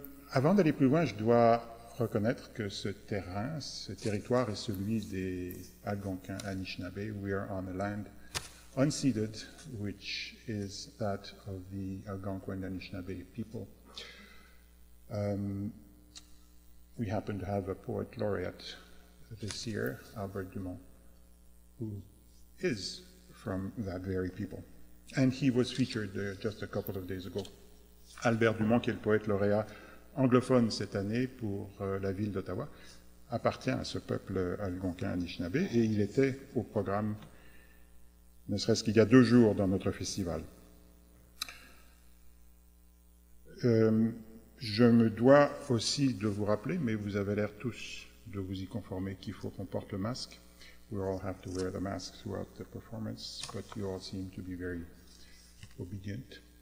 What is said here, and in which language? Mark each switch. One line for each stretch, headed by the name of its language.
French: Avant d'aller plus loin, je dois reconnaître que ce terrain, ce territoire est celui des Algonquins Anishinaabe.
English: We are on a land unceded, which is that of the Algonquin Anishinaabe people. We happen to have a poet laureate this year, Albert Dumont, who is from that very people. And he was featured just a couple of days ago.
French: Albert Dumont, qui est le poète lauréat anglophone cette année pour la ville d'Ottawa, appartient à ce peuple algonquin Anishinaabe, et il était au programme, ne serait-ce qu'il y a deux jours, dans notre festival. Je me dois aussi de vous rappeler, mais vous avez l'air tous de vous y conformer, qu'il faut qu'on porte le masque.
English: We all have to wear the mask throughout the performance, but you all seem to be very obedient.